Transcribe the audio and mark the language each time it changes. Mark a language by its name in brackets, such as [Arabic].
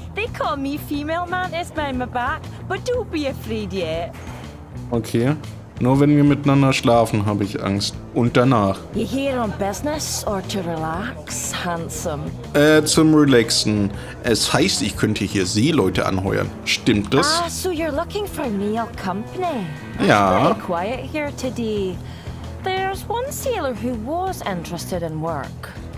[English] They call me female Mantis by my back, but don't be afraid yet. Okay. [German] Nur wenn wir miteinander schlafen, habe ich Angst. Und danach. [English] You here on business or to relax, handsome? [German] Zum Relaxen. Es heißt, ich könnte hier Seeleute anheuern. Stimmt das? [English] Ah, so you're looking for male company? [German] Ja. [English] It's pretty quiet here today. There's one sailor who was interested in work.